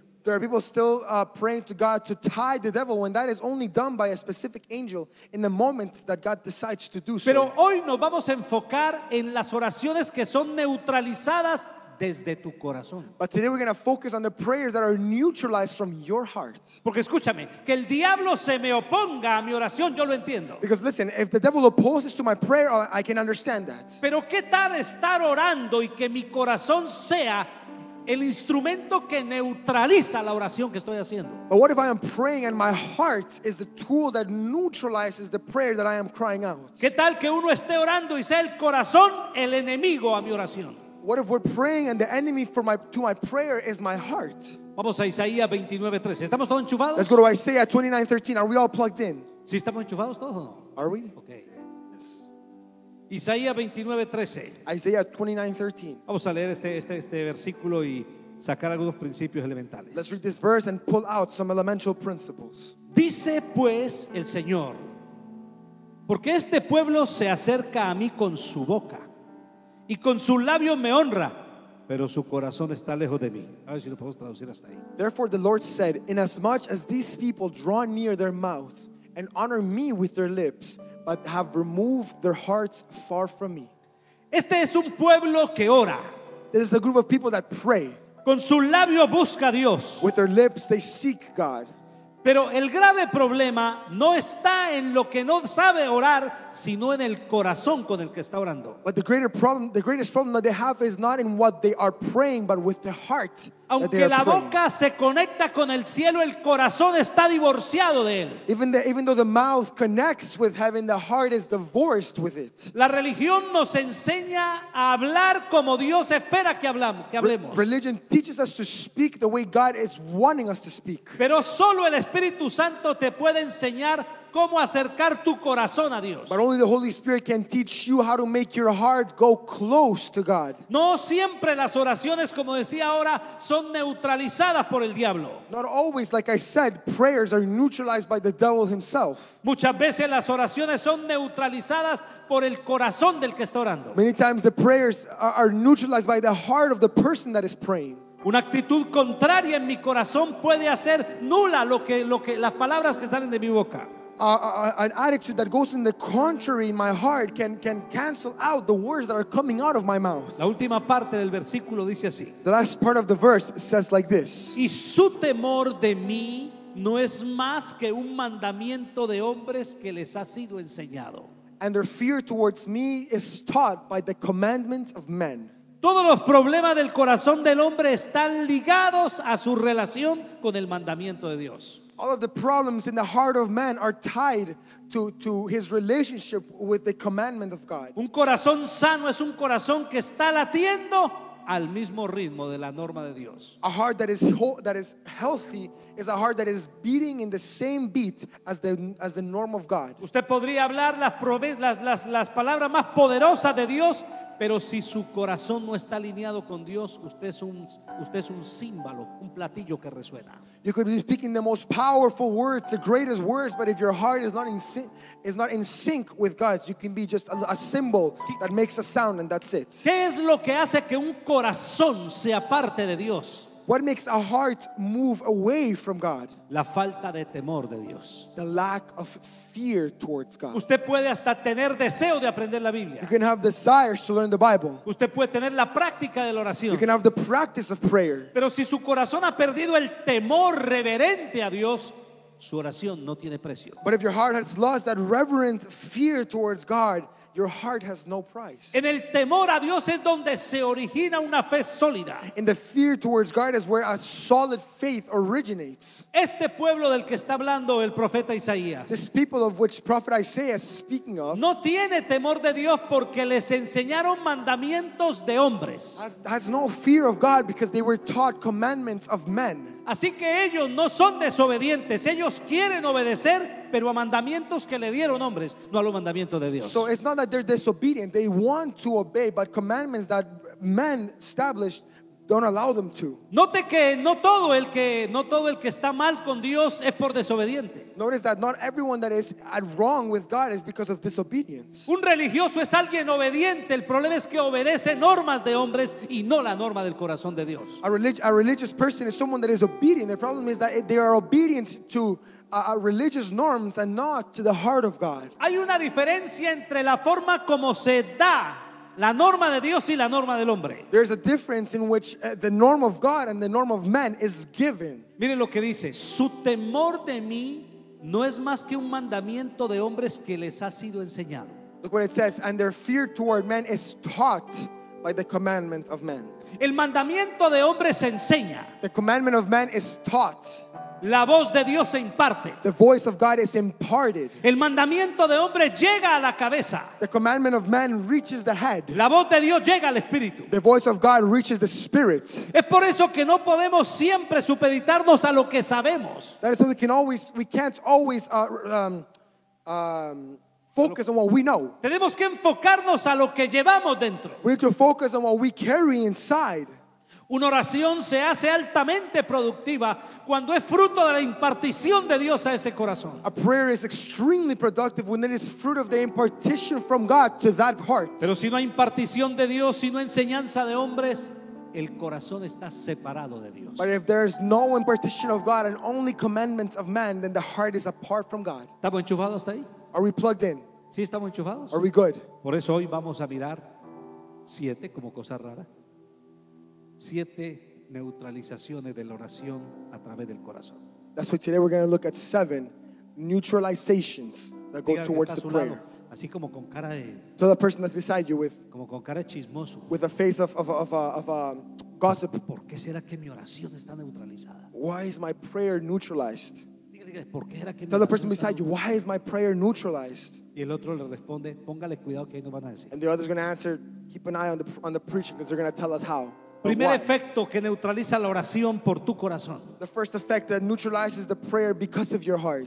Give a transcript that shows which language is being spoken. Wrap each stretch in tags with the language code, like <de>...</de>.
<en>There are people still praying to God to tie the devil when that is only done by a specific angel in the moment that God decides to do so.</en> <es>Pero hoy nos vamos a enfocar en las oraciones que son neutralizadas desde tu corazón.</es> <en>But today we're going to focus on the prayers that are neutralized from your heart.</en> <es>Porque escúchame, que el diablo se me oponga a mi oración, yo lo entiendo.</es> <en>Because listen, if the devil opposes to my prayer, I can understand that.</en> <es>Pero ¿qué tal estar orando y que mi corazón sea el instrumento que neutraliza la oración que estoy haciendo?</es> <en>But what if I am praying and my heart is the tool that neutralizes the prayer that I am crying out?</en> <es>¿Qué tal que uno esté orando y sea el corazón el enemigo a mi oración?</es> <en>What if we're praying and the enemy to my prayer is my heart?</en> <es>Vamos a Isaías 29:13. ¿Estamos todos enchufados?</es> <en>Let's go to Isaiah 29:13. Are we all plugged in?</en> <es>¿Sí estamos enchufados todos?</es> <en>Are we? Okay. Yes. Isaías 29:13. Isaiah 29:13.</en> <es>Vamos a leer este versículo y sacar algunos principios elementales.</es> <en>Let's read this verse and pull out some elemental principles.</en> <es>Dice pues el Señor, porque este pueblo se acerca a mí con su boca y con su labio me honra, pero su corazón está lejos de mí. A ver si lo podemos traducir hasta ahí.</es> <en>Therefore the Lord said, inasmuch as these people draw near their mouths and honor me with their lips, but have removed their hearts far from me.</en> <es>Este es un pueblo que ora.</es> <en>This is a group of people that pray.</en> <es>Con su labio busca a Dios.</es> <en>With their lips they seek God.</en> <es>Pero el grave problema no está en lo que no sabe orar, sino en el corazón con el que está orando.</es> <en>But the greatest problem that they have is not in what they are praying, but with the heart.</en> <es>Aunque la boca se conecta con el cielo, el corazón está divorciado de él.</es> <en>Even though the mouth connects with heaven, the heart is divorced with it.</en> <es>La religión nos enseña a hablar como Dios espera que hablemos.</es> <en>Religion teaches us to speak the way God is wanting us to speak.</en> <es>Pero solo el Espíritu Santo te puede enseñar cómo acercar tu corazón a Dios.</es> <en>But only the Holy Spirit can teach you how to make your heart go close to God.</en> <es>No siempre las oraciones, como decía ahora, son neutralizadas por el diablo.</es> <en>Not always, like I said, prayers are neutralized by the devil himself.</en> <es>Muchas veces las oraciones son neutralizadas por el corazón del que está orando.</es> <en>Many times the prayers are neutralized by the heart of the person that is praying.</en> <es>Una actitud contraria en mi corazón puede hacer nula lo que las palabras que salen de mi boca.</es> <en>An attitude that goes in the contrary in my heart can cancel out the words that are coming out of my mouth.</en> <es>La última parte del versículo dice así.</es> <en>The last part of the verse says like this.</en> <es>Y su temor de mí no es más que un mandamiento de hombres que les ha sido enseñado.</es> <en>And their fear towards me is taught by the commandments of men.</en> <es>Todos los problemas del corazón del hombre están ligados a su relación con el mandamiento de Dios.</es> <en>All of the problems in the heart of man are tied to his relationship with the commandment of God.</en> <es>Un corazón sano es un corazón que está latiendo al mismo ritmo de la norma de Dios.</es> <en>A heart that is healthy is a heart that is beating in the same beat as the norm of God.</en> <es>Usted podría hablar las palabras más poderosas de Dios, pero si su corazón no está alineado con Dios, usted es un címbalo, un platillo que resuena.</es> <en>You could be speaking the most powerful words, the greatest words, but if your heart is not in sync with God, you can be just a cymbal that makes a sound and that's it.</en> <es>¿Qué es lo que hace que un corazón sea parte de Dios?</es> <en>What makes a heart move away from God?</en> <es>La falta de temor de Dios.</es> <en>The lack of fear towards God.</en> <es>Usted puede hasta tener deseo de aprender la Biblia.</es> <en>You can have desires to learn the Bible.</en> <es>Usted puede tener la práctica de la oración.</es> <en>You can have the practice of prayer.</en> <es>Pero si su corazón ha perdido el temor reverente a Dios, su oración no tiene precio.</es> <en>But if your heart has lost that reverent fear towards God, your heart has no price.</en> <es>En el temor a Dios es donde se origina una fe sólida.</es> <en>In the fear towards God is where a solid faith originates.</en> <es>Este pueblo del que está hablando el profeta Isaías.</es> <en>This people of which prophet Isaiah is speaking of.</en> <es>No tiene temor de Dios porque les enseñaron mandamientos de hombres.</es> <en>Has no fear of God because they were taught commandments of men.</en> <es>Así que ellos no son desobedientes. Ellos quieren obedecer, pero a mandamientos que le dieron hombres, no a los mandamientos de Dios.</es> <en>So it's not that they're disobedient. They want to obey, but commandments that men established don't allow them to.</en> <es>Note que no todo el que está mal con Dios es por desobediente.</es> <en>Notice that not everyone that is at wrong with God is because of disobedience.</en> <es>Un religioso es alguien obediente. El problema es que obedece normas de hombres y no la norma del corazón de Dios.</es> <en>A religious person is someone that is obedient. The problem is that they are obedient to religious norms and not to the heart of God.</en> <es>Hay una diferencia entre la forma como se da la norma de Dios y la norma del hombre.</es> <en>There's a difference in which the norm of God and the norm of man is given.</en> <es>Miren lo que dice: su temor de mí no es más que un mandamiento de hombres que les ha sido enseñado.</es> <en>Look what it says: and their fear toward men is taught by the commandment of men.</en> <es>El mandamiento de hombres se enseña.</es> <en>The commandment of man is taught.</en> <es>La voz de Dios se imparte.</es> <en>The voice of God is imparted.</en> <es>El mandamiento de hombre llega a la cabeza.</es> <en>The commandment of man reaches the head.</en> <es>La voz de Dios llega al espíritu.</es> <en>The voice of God reaches the spirit.</en> <es>Es por eso que no podemos siempre supeditarnos a lo que sabemos.</es> <en>That is why we can't always focus on what we know.</en> <es>Tenemos que enfocarnos a lo que llevamos dentro.</es> <en>We need to focus on what we carry inside.</en> <es>Una oración se hace altamente productiva cuando es fruto de la impartición de Dios a ese corazón.</es> <en>A prayer is extremely productive when it is fruit of the impartition from God to that heart.</en> <es>Pero si no hay impartición de Dios, si no hay enseñanza de hombres, el corazón está separado de Dios.</es> <en>But if there is no impartition of God and only commandments of man, then the heart is apart from God.</en> <es>¿Estamos enchufados hasta ahí?</es> <en>Are we plugged in?</en> <es>Sí, estamos enchufados.</es> <en>Are we good?</en> <es>Por eso hoy vamos a mirar 7 como cosa rara. 7 neutralizaciones de la oración a través del corazón.</es> <en>That's why today we're going to look at 7 neutralizations that go towards the prayer.</en> <es>Así como con cara de,</es> <en>to the person that's beside you with,</en> <es>como con cara chismoso,</es> <en>with a face of a gossip.</en> <es>¿Por qué será que mi oración está neutralizada?</es> <en>Why is my prayer neutralized?</en> <es>¿Por qué será que</es> <en>tell the person beside you, why is my prayer neutralized?</en> <es>Y el otro le responde, póngale cuidado que ahí nos van a decir.</es> <en>And the other is going to answer, keep an eye on the preaching because they're going to tell us how.</en> <es>Primer efecto que neutraliza la oración por tu corazón.</es> <en>The first effect that neutralizes the prayer because of your heart.</en>